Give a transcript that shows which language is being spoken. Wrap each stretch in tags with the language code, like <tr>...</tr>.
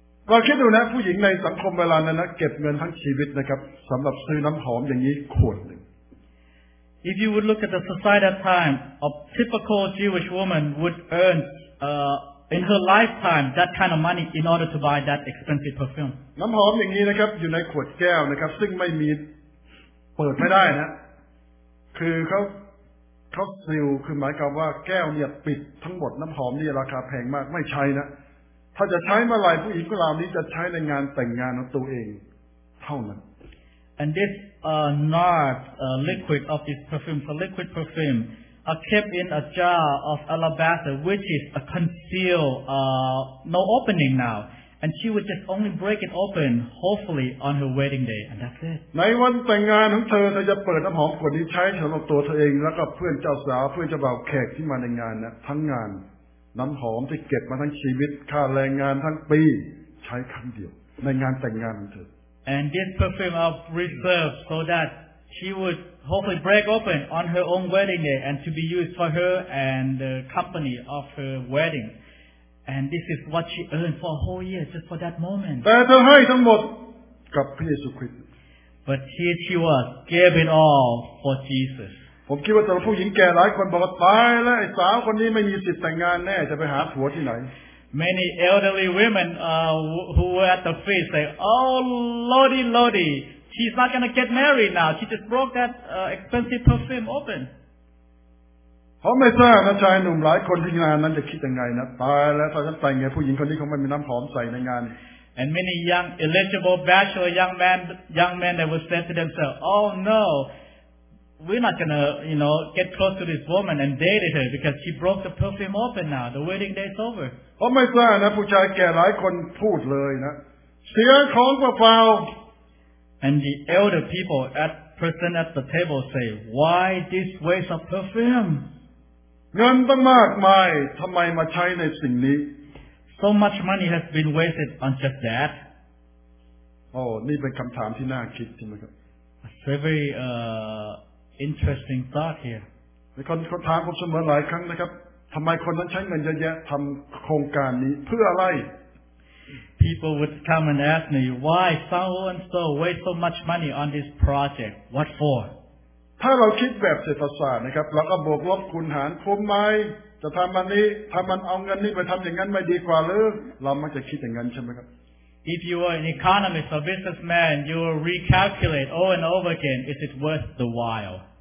<th>ก็คิดดูนะผู้หญิงในสังคมเวลานั้นนะเก็บเงินทั้งชีวิตนะครับสำหรับซื้อน้ำหอมอย่างนี้ขวดหนึ่ง</th> <en>If you would look at the society at that time, a typical Jewish woman would earn in her lifetime that kind of money in order to buy that expensive perfume.</en> <th>น้ำหอมอย่างนี้นะครับอยู่ในขวดแก้วนะครับซึ่งไม่มีเปิดไม่ได้นะคือเขาซีลคือหมายความว่าแก้วเนี่ยปิดทั้งหมดน้ำหอมนี่ราคาแพงมากไม่ใช้นะถ้าจะใช้เมื่อไหร่ผู้หญิงคนเหล่านี้จะใช้ในงานแต่งงานของตัวเองเท่านั้น</th> <en>And this nard liquid of this perfume, so liquid perfume, are kept in a jar of alabaster, which is a concealed, no opening now. And she would just only break it open, hopefully, on her wedding day, and that's it.</en> <th>ในวันแต่งงานของเธอเธอจะเปิดน้ำหอมขวดนี้ใช้สำหรับตัวเธอเองแล้วก็เพื่อนเจ้าสาวเพื่อนเจ้าบ่าวแขกที่มาในงานนะทั้งงานน้ำหอมที่เก็บมาทั้งชีวิตค่าแรงงานทั้งปีใช้ครั้งเดียวในงานแต่งงานของเธอ</th> <en>And this perfume of reserve so that she would hopefully break open on her own wedding day and to be used for her and the company of her wedding and this is what she earned for a whole year just for that moment</en> <th>แต่เธอให้ทั้งหมดกับพระเยซูคริสต์</th> <en>But here she was gave it all for Jesus</en> <th>ผมคิดว่าสำหรับผู้หญิงแก่หลายคนบอกว่าตายแล้วไอ้สาวคนนี้ไม่มีสิทธิ์แต่งงานแน่จะไปหาผัวที่ไหน</th> <en>Many elderly women who were at the feast say oh lordy lordy she's not going to get married now she just broke that expensive perfume open</en> <th>ผมไม่ทราบนะชายหนุ่มหลายคนที่งานนั้นจะคิดยังไงนะตายแล้วถ้าฉันแต่งงานผู้หญิงคนนี้คงไม่มีน้ำหอมใส่ในงาน</th> <en>And many young eligible bachelor young men that would say to themselves oh noWe're not gonna, you know, get close to this woman and date her because she broke the perfume open now. The wedding day's over.</en> <th>เพราะไม่ทราบนะผู้ชายแก่หลายคนพูดเลยนะเสียของเปล่า</th> <en>And the elder people at present at the table say, "Why this waste of perfume?</en> <th>เงินตั้งมากมายทำไมมาใช้ในสิ่งนี้</th> <en>So much money has been wasted on just that.</en> <th>Oh, นี่เป็นคำถามที่น่าคิดใช่ไหมครับ</th> <en>Very Interesting thought here.</en> <th>มีคนเขาถามผมเสมอหลายครั้งนะครับทำไมคนนั้นใช้เงินเยอะแยะทำโครงการนี้เพื่ออะไร</th> <en>People would come and ask me why so and so waste so much money on this project. What for?</en> <th>ถ้าเราคิดแบบเศรษฐศาสตร์นะครับเราก็บวกลบคูณหารคงไม่จะทำมันนี้ทำมันเอาเงินนี้ไปทำอย่างนั้นไม่ดีกว่าหรือเรามักจะคิดอย่างนั้นใช่ไหมครับ</th> <en>If you are an economist or businessman, you will recalculate over and over again, is it worth the while?</en>